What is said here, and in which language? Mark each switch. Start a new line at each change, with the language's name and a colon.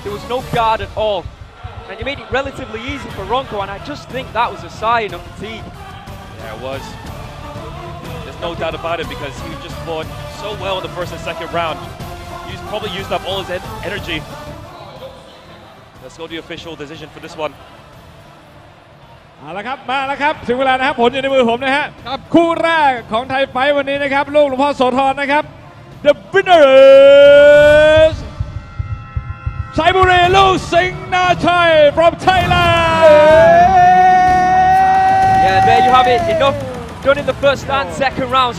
English: There was no guard at all. And you made it relatively easy for Ronco, and I just think that was a sign of fatigue. Yeah, it was. There's no doubt about it, because he just fought so well in the first and second round. He's probably used up all his energy. Let's go to the official decision for this one.
Thai: เอาละครับมาแล้วครับถึงเวลานะครับผมอยู่ในมือผมนะฮะครับคู่แรกของไทยไฟท์วันนี้นะครับลูกหลวงพ่อโสธรนะครับ
English: The winner isJaiberi Luk Sing Nathai from Thailand! Yeah, there you have it. Enough done in the first and second rounds.